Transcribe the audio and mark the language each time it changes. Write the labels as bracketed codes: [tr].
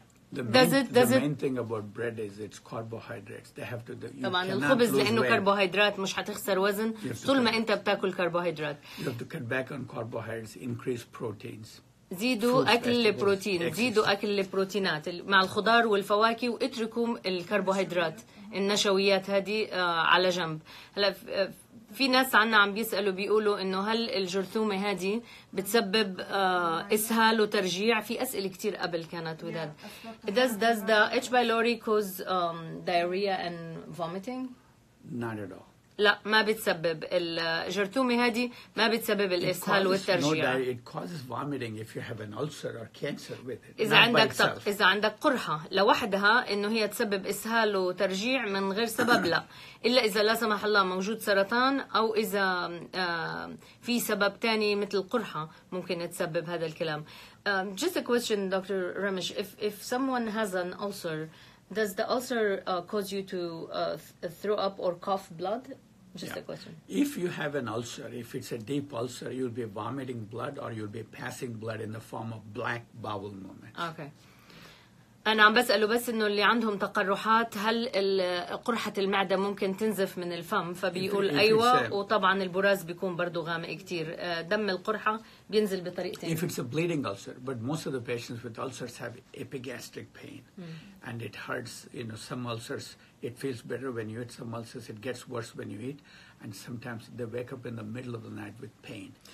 [en] The main thing about bread is it's carbohydrates. They have to. The, you [ar] طبعاً الخبز لأنه كربوهيدرات مش هتخسر وزن طول ما أنت بتأكل كربوهيدرات. [en] You have to cut back on carbohydrates, increase proteins. [ar] زيدوا أكل البروتين. زيدوا أكل البروتينات مع الخضار والفواكه واتركوا الكربوهيدرات النشويات هذه على جنب. هلا في ناس عنا عم بيسألوا بيقولوا إنه هل الجرثومة هذه بتسبب إسهال وترجيع؟ في أسئلة كتير قبل كانت [en] with that. Does the H. pylori cause diarrhea and vomiting? Not at all. [ar] لا ما بتسبب الجرثومة هذه ما بتسبب الإسهال والترجيع. [en] It causes vomiting if you have an ulcer or cancer with it. [ar] إذا عندك قرحة لوحدها إنه هي تسبب إسهال وترجيع من غير سبب لا. إلا إذا لا سمح الله موجود سرطان أو إذا في سبب تاني مثل قرحة ممكن تسبب هذا الكلام. [en] Just a question, Dr. Ramesh. If someone has an ulcer, does the ulcer cause you to throw up or cough blood? Just a question. If you have an ulcer, if it's a deep ulcer, you'll be vomiting blood or you'll be passing blood in the form of black bowel movements. Okay. [ar] أنا عم بسأله بس إنه اللي عندهم تقرحات هل قرحة المعدة ممكن تنزف من الفم؟ فبيقول أيوة وطبعاً البراز بيكون برضو غامق كتير. دم القرحة بينزل بطريقتين. [en] If it's a bleeding ulcer, but most of the patients with ulcers have epigastric pain. And it hurts, you know, some ulcers, it feels better when you eat some ulcers, it gets worse when you eat. And sometimes they wake up in the middle of the night with pain.